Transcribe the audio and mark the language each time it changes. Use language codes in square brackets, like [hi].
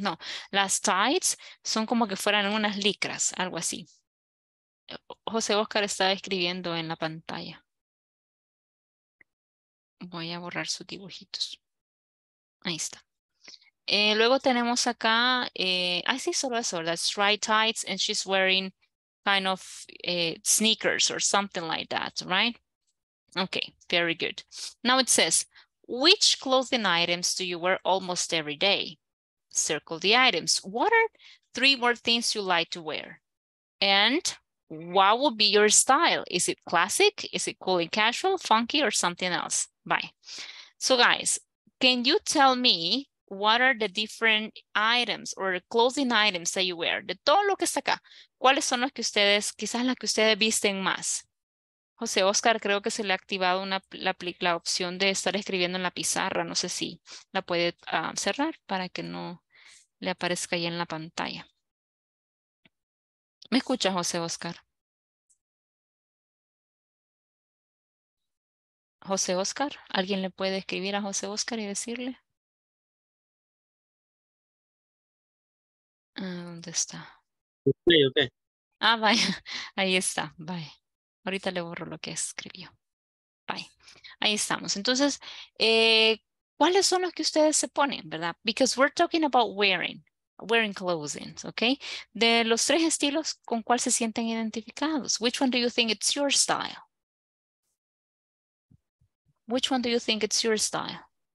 [es] No, las tights son como que fueran unas licras, algo así. José Oscar está escribiendo en la pantalla. Voy a borrar sus dibujitos. Ahí está. Luego tenemos acá, [en] I see [es] solo eso, ¿verdad? [en] Striped tights and she's wearing kind of sneakers or something like that, right? Okay, very good. Now it says, Which clothing items do you wear almost every day? Circle the items. What are three more things you like to wear? And what will be your style? Is it classic? Is it cool and casual, funky, or something else? Bye. So guys, can you tell me what are the different items or clothing items that you wear? [es] De todo lo que está acá, ¿cuáles son los que ustedes, quizás las que ustedes visten más? José Oscar, creo que se le ha activado una, la opción de estar escribiendo en la pizarra. No sé si la puede cerrar para que no le aparezca ahí en la pantalla. ¿Me escucha, José Oscar? José Oscar, ¿alguien le puede escribir a José Oscar y decirle? ¿Dónde está? Okay, okay. Ah, vaya. Ahí está. Bye. Ahorita le borro lo que escribió. Bye. Ahí estamos. Entonces, ¿cuáles son los que ustedes se ponen, verdad? [en] Because we're talking about wearing. Wearing clothing, okay? [es] De los tres estilos, ¿con cuál se sienten identificados? [en] Which one do you think it's your style? Which one do you think it's your style?